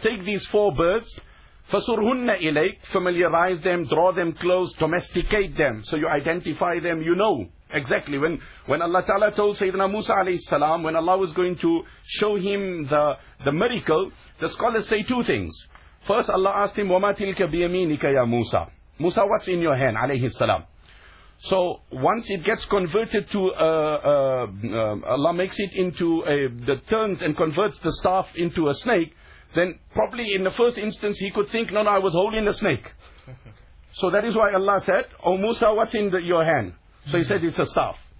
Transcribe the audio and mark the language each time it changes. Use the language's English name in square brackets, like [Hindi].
[English] Take these four birds. [Arabic] فَصُرْهُنَّ إِلَيْكَ. [English] Familiarize them, draw them close, domesticate them. So you identify them, you know. Exactly. When Allah Ta'ala told Sayyidina Musa alayhi salam, when Allah was going to show him the miracle, the scholars say two things. First, Allah asked him, [Arabic] وَمَا تِلْكَ بِيَمِينِكَ يَا مُوسَى. [English] Musa, what's in your hand, alayhi salam? So once it gets converted to, Allah makes it into turns and converts the staff into a snake, then probably in the first instance he could think, no, I was holding a snake. So that is why Allah said, oh Musa, what's in your hand? So he said, it's a staff.